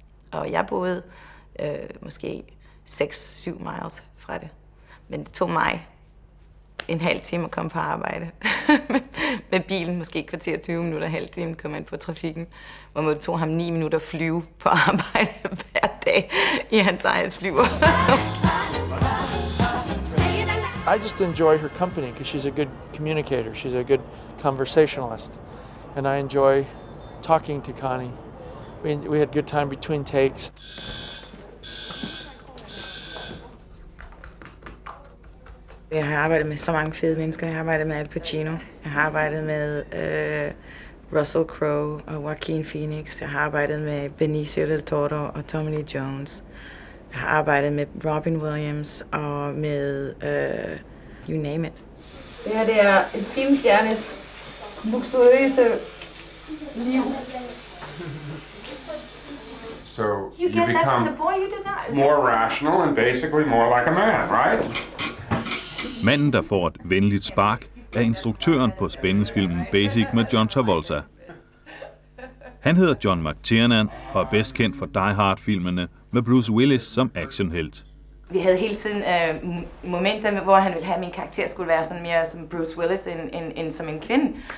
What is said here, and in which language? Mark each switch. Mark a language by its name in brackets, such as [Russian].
[Danish] Og jeg boede måske 6-7 miles fra det, men det tog mig en halv time at komme på arbejde med bilen, måske et kvarter 20 minutter, halv time kom man på trafikken, hvor det tog ham 9 minutter at flyve på arbejde hver dag i hans egen flyver. [English] I just enjoy her company because she's a good communicator, she's a good conversationalist, and I enjoy talking to Connie. We had good time between takes. Hi. [Danish] Jeg har arbejdet med så mange fede mennesker. Jeg har arbejdet med Al Pacino. Jeg har arbejdet med Russell Crowe og Joaquin Phoenix. Jeg har arbejdet med Benicio del Toro og Tommy Lee Jones. Jeg har arbejdet med Robin Williams og med [English] you name it. [Danish] Det her, det er en filmstjernes luksuriøse liv. [English] So you get become that from the boy, you do not. More rational and basically more like a man, right? [Danish] Manden, der får et venligt spark, er instruktøren på spændingsfilmen Basic med John Travolta. Han hedder John McTiernan og er bedst kendt for Die Hard-filmene med Bruce Willis som actionhelt. Vi havde hele tiden momenter, hvor han ville have, at min karakter skulle være sådan mere som Bruce Willis end som en kvinde.